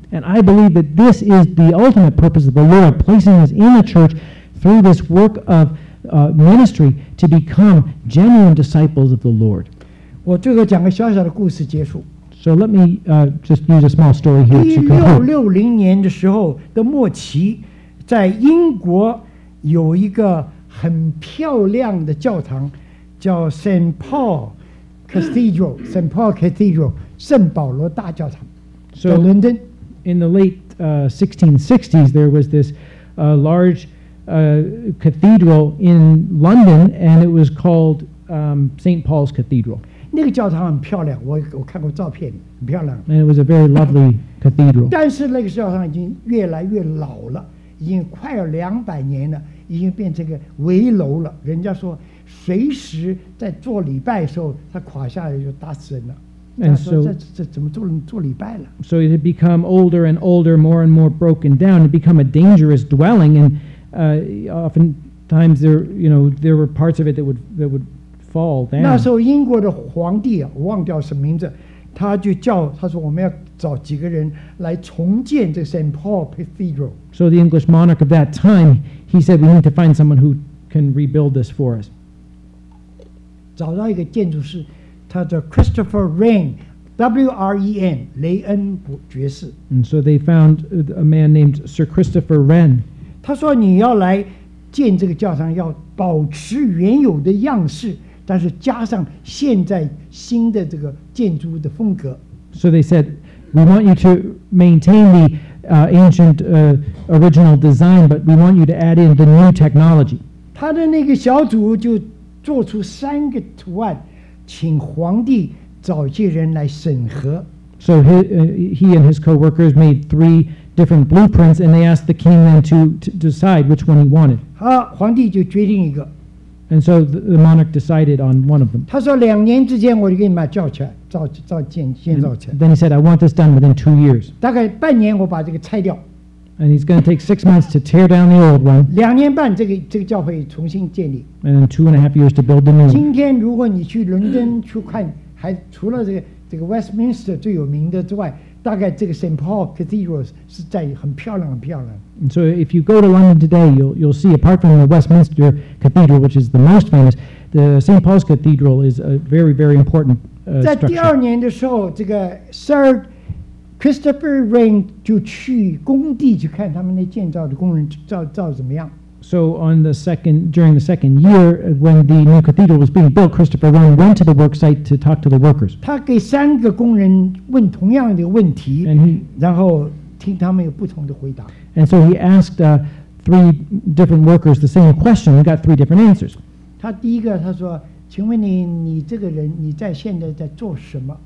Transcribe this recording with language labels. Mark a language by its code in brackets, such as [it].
[en] And I believe that this is the ultimate purpose of the Lord placing us in the church through this work of ministry to become genuine disciples of the Lord. [zh] 我最后讲个小小的故事结束。 [en] So let me just use a small story here to conclude. [zh] 1660年的时候的末期，在英国有一个很漂亮的教堂，叫 Saint Paul Cathedral, Saint Paul Cathedral, 圣保罗大教堂。 [en] So in London, in the late 1660s, there was this largecathedral in London, and it was called St. Paul's Cathedral. [zh] 那个教堂很漂亮，我看过照片，很漂亮。 [en] And it was a very lovely cathedral. [zh] 但是那个教堂已经越来越老了，已经快要200年了，已经变成个危楼了。人家说，随时在做礼拜的时候，它垮下来就打死人了。 [en] And [zh] so, 这怎么住了礼拜了? [en] So it had become older and older, more and more broken down. It had become a dangerous dwelling, and oftentimes there, you know, there were parts of it that would fall down. [zh] 那时候英国的皇帝忘掉什么名字, 他就叫, 他说我们要找几个人来重建这 St. [en] Paul Cathedral. So the English monarch of that time, he said, we need to find someone who can rebuild this for us. [zh] 找到一个建筑师, 他叫 Christopher Wren, W-R-E-N, 雷恩爵士。 [en] And so they found a man named Sir Christopher Wren. [zh] 他说你要来建这个教堂, 要保持原有的样式, 但是加上现在新的这个建筑的风格。 [en] So they said, we want you to maintain the ancient original design, but we want you to add in the new technology. [zh] 他的那个小组就做出三个图案, 请皇帝找些人来审核。 [en] So he and his co-workers made three different blueprints, and they asked the king then to decide which one he wanted. [zh] 好，皇帝就决定一个。 [en] And so the monarch decided on one of them. [zh] 他说两年之间我就给你们造起来。 [en] Then he said, I want this done within 2 years. [zh] 大概半年我把这个拆掉。 [en] And he's going to take 6 months to tear down the old one. [zh] 两年半这个教会重新建立。 [en] And then 2.5 years to build the new one. [zh] 今天如果你去伦敦去看, 除了这个 Westminster 最有名的之外, 大概这个 St. Paul Cathedral 是在很漂亮很漂亮。 [en] And so if you go to London today, you'll see, apart from the Westminster Cathedral, which is the most famous, the St. Paul's Cathedral is a very, very important structure. [zh] 在第二年的时候, 这个 Sir Christopher Wren 就去工地去看他们那建造的工人造怎么样。 [en] So on the second, during the second year, when the new cathedral was being built, Christopher Wren went to the work site to talk to the workers. [zh] 他给三个工人问同样的问题, [en] and he, [zh] 然后听他们有不同的回答。 [en] And so he asked three different workers the same question, and got three different answers. [zh] 他第一个他说, 请问你这个人你在现在在做什么?